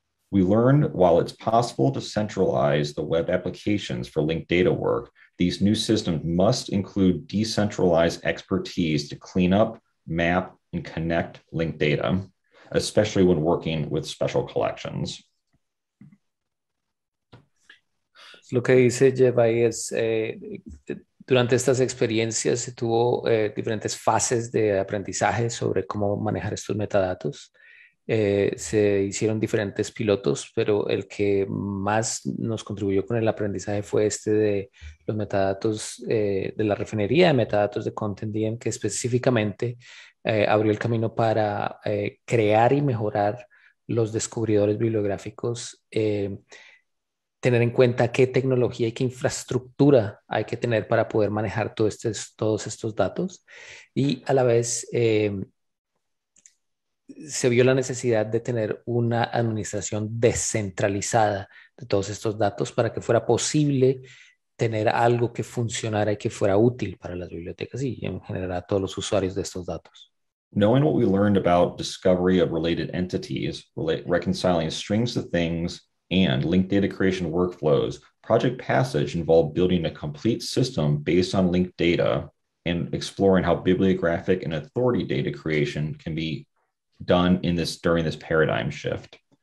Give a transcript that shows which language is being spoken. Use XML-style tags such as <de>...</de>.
<en>We learned while it's possible to centralize the web applications for linked data work, these new systems must include decentralized expertise to clean up, map, and connect linked data, especially when working with special collections.</en> <es>Lo que dice Jebai es, durante estas experiencias se tuvo diferentes fases de aprendizaje sobre cómo manejar estos metadatos. Se hicieron diferentes pilotos, pero el que más nos contribuyó con el aprendizaje fue este de los metadatos de la refinería de metadatos de ContentDM, que específicamente abrió el camino para crear y mejorar los descubridores bibliográficos, tener en cuenta qué tecnología y qué infraestructura hay que tener para poder manejar todos estos datos, y a la vez se vio la necesidad de tener una administración descentralizada de todos estos datos para que fuera posible tener algo que funcionara y que fuera útil para las bibliotecas y en general a todos los usuarios de estos datos.</es> <en>Knowing what we learned about discovery of related entities, reconciling strings of things, and linked data creation workflows, Project Passage involved building a complete system based on linked data and exploring how bibliographic and authority data creation can be done in this during this paradigm shift.</en>